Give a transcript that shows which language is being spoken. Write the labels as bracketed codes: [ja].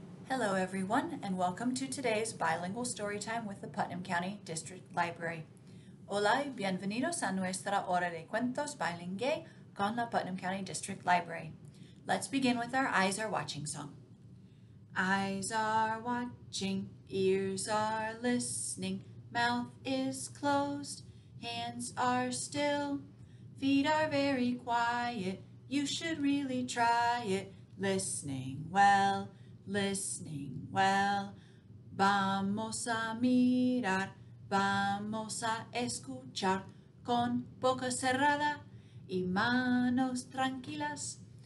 [en] Hello everyone, and welcome to today's bilingual story time with the Putnam County District Library. [es] Hola y bienvenidos a nuestra hora de cuentos bilingüe con la Putnam County District Library. [en] Let's begin with our Eyes Are Watching song. Eyes are watching, ears are listening, mouth is closed, hands are still, feet are very quiet, you should really try it, listening well. Listening well. [es] Vamos a mirar, vamos a escuchar, con boca cerrada y manos tranquilas.